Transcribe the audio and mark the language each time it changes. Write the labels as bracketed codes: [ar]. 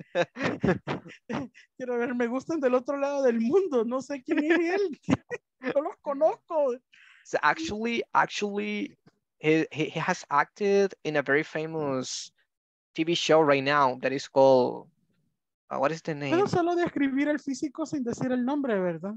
[es] Quiero ver, me gustan del otro lado del mundo. No sé quién es él. No los conozco. [en] So actually, he has acted in a very famous TV show right now that is called, what is the name? [es] Pero solo describir el físico sin decir el nombre, ¿verdad?